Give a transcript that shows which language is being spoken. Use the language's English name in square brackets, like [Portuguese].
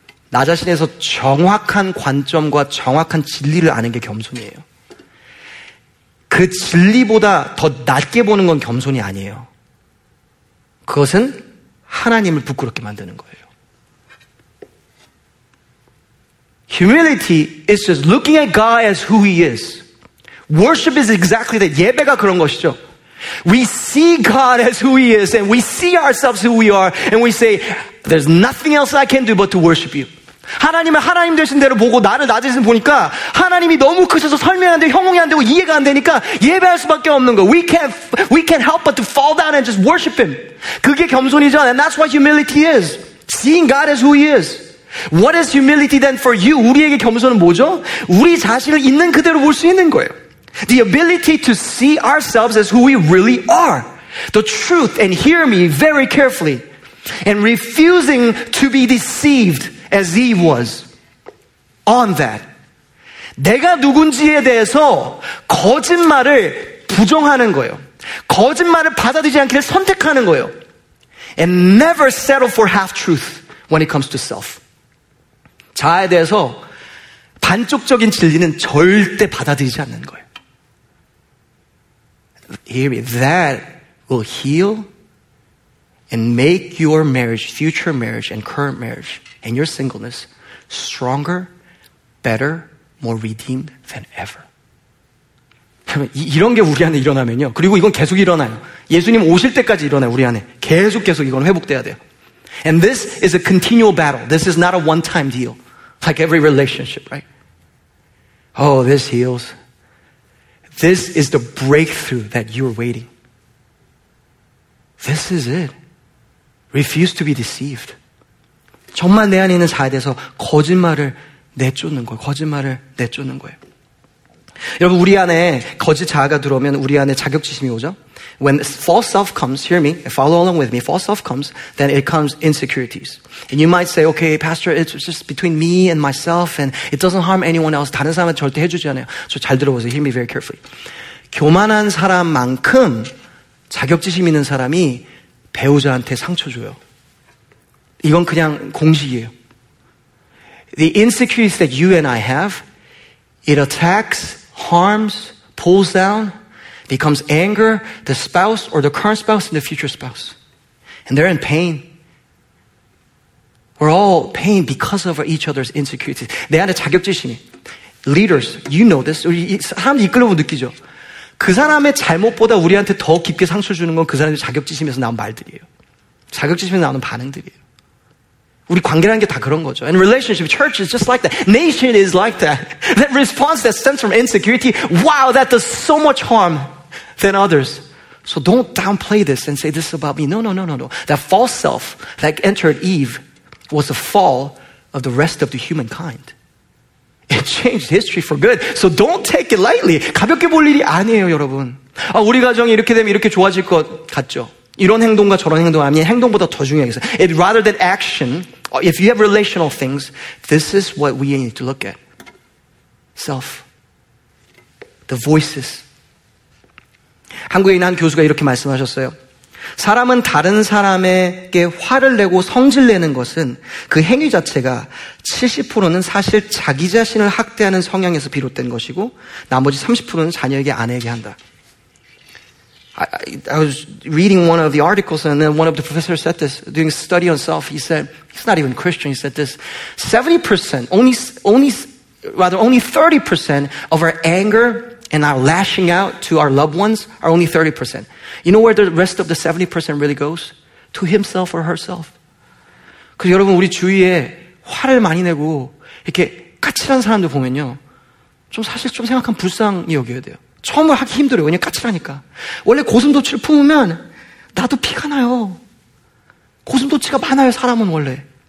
[Korean] 나 자신에서 정확한 관점과 정확한 진리를 아는 게 겸손이에요. 그 진리보다 더 낮게 보는 건 겸손이 아니에요. 그것은 하나님을 부끄럽게 만드는 거예요. [English] Humility is just looking at God as who He is. Worship is exactly that. [Korean] 예배가 그런 것이죠. [English] We see God as who He is and we see ourselves who we are and we say, there's nothing else I can do but to worship you. [Korean] 하나님을 하나님 되신 대로 보고 나를 나 되신 보니까 하나님이 너무 크셔서 설명이 안 되고 형용이 안 되고 이해가 안 되니까 예배할 수밖에 없는 거. [English] We can't help but to fall down and just worship him. [Korean] 그게 겸손이죠. [English] And that's what humility is. Seeing God as who he is. What is humility then for you? [Korean] 우리에게 겸손은 뭐죠? 우리 자신을 있는 그대로 볼 수 있는 거예요. [English] The ability to see ourselves as who we really are. The truth and hear me very carefully. And refusing to be deceived. As he was on that. [Korean] 내가 누군지에 대해서 거짓말을 부정하는 거예요. 거짓말을 받아들이지 않기를 선택하는 거예요. [English] And never settle for half-truth when it comes to self. [Korean] 자아에 대해서 반쪽적인 진리는 절대 받아들이지 않는 거예요. [English] Hear me. That will heal and make your marriage, future marriage and current marriage and your singleness stronger, better, more redeemed than ever. [Korean] 그러면 이런 게 우리 안에 일어나면요. 그리고 이건 계속 일어나요. 예수님 오실 때까지 일어나요, 우리 안에. 계속 이건 회복돼야 돼요. [English] And this is a continual battle. This is not a one-time deal. Like every relationship, right? Oh, this heals. This is the breakthrough that you're waiting. This is it. Refuse to be deceived. [Korean] 정말 내 안에 있는 자에 대해서 거짓말을 내쫓는 거예요. 거짓말을 내쫓는 거예요. 여러분 우리 안에 거짓 자아가 들어오면 우리 안에 자격지심이 오죠? [English] When false self comes, hear me, follow along with me, false self comes, then it comes insecurities. And you might say, okay, pastor, it's just between me and myself and it doesn't harm anyone else. [Korean] 다른 사람한테 절대 해주지 않아요. 저 잘 들어보세요. [English] Hear me very carefully. [Korean] 교만한 사람만큼 자격지심 있는 사람이 배우자한테 상처 줘요. 이건 그냥 공식이에요. [English] The insecurities that you and I have, it attacks, harms, pulls down, becomes anger, the spouse or the current spouse and the future spouse. And they're in pain. We're all in pain because of each other's insecurities. [Korean] 내 안에 자격지심이. [English] Leaders, you know this. [Korean] 사람들이 이끌어보면 느끼죠. 그 사람의 잘못보다 우리한테 더 깊게 상처를 주는 건 그 사람의 자격지심에서 나온 말들이에요. 자격지심에서 나오는 반응들이에요. 우리 관계라는 게 다 그런 거죠. [English] And relationship, church is just like that. Nation is like that. That response that stems from insecurity, wow, that does so much harm than others. So don't downplay this and say this is about me. No. That false self that entered Eve was the fall of the rest of the humankind. It changed history for good. So don't take it lightly. [Korean] 가볍게 볼 일이 아니에요, 여러분. 아, 우리 가정이 이렇게 되면 이렇게 좋아질 것 같죠. 이런 행동과 저런 행동 아니면 행동보다 더 중요하겠어요. [English] It, rather than action, if you have relational things, this is what we need to look at. Self. The voices. [Korean] 한국의 한 교수가 이렇게 말씀하셨어요. 사람은 다른 사람에게 화를 내고 성질 내는 것은 그 행위 자체가 70%는 사실 자기 자신을 학대하는 성향에서 비롯된 것이고 나머지 30%는 자녀에게 아내에게 한다. [English] I was reading one of the articles and then one of the professors said this, doing a study on self. He said, he's not even Christian, he said this, 70%, only 30% of our anger and our lashing out to our loved ones are only 30%. You know where the rest of the 70% really goes? To himself or herself. [Korean] 그래서 여러분 우리 주위에 화를 많이 내고 이렇게 까칠한 사람들 보면요. 좀 사실 좀 생각하면 불쌍히 여겨야 돼요. 처음을 하기 힘들어요. 그냥 까칠하니까. 원래 고슴도치를 품으면 나도 피가 나요. 고슴도치가 많아요. 사람은 원래.